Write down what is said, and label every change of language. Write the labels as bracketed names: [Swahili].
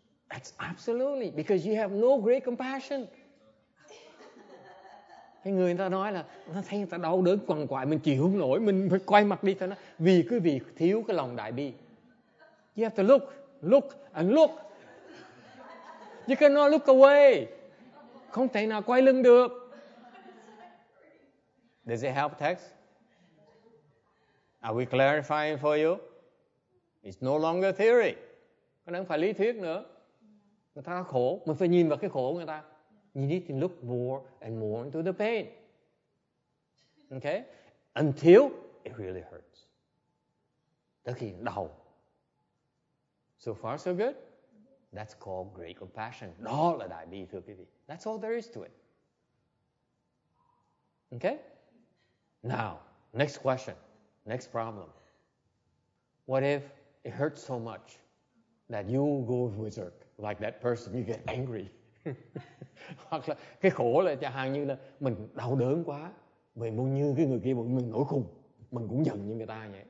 [English] That's absolutely because you have no great compassion. [Vietnamese] Cái người ta nói là nó thấy người ta đau đớn quằn quại mình chịu không nổi, mình phải quay mặt đi thôi, vì cứ vì thiếu cái lòng đại bi. [English] You have to look and look. You cannot look away. [Vietnamese] Không thể nào quay lưng được. [English] Does it help text? Are we clarifying for you? It's no longer theory. [Vietnamese] Nó không phải lý thuyết nữa. Người ta khổ, mình phải nhìn vào cái khổ của người ta. [English] You need to look more and more into the pain. Okay? Until it really hurts. [Vietnamese] Tới khi đau. [English] So far so good. That's called great compassion. [Vietnamese] Đó là đại bi thưa quý vị. [English] That's all there is to it. Okay? Now, next question. Next problem. What if it hurts so much that you go berserk like that person, you get angry? [Vietnamese] Hoặc là cái khổ là chẳng hạn như là mình đau đớn quá, mình muốn như cái người kia, mình nổi khùng, mình cũng giận như người ta vậy.